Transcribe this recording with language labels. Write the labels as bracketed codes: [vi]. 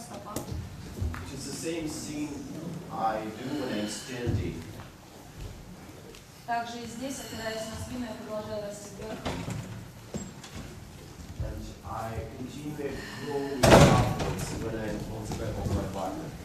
[en] It is the same thing I do when I'm standing. [ru] Также и здесь, опираясь на спину, я продолжаю расти вверх. [en] and I continue growing upwards when I'm on the back of my partner.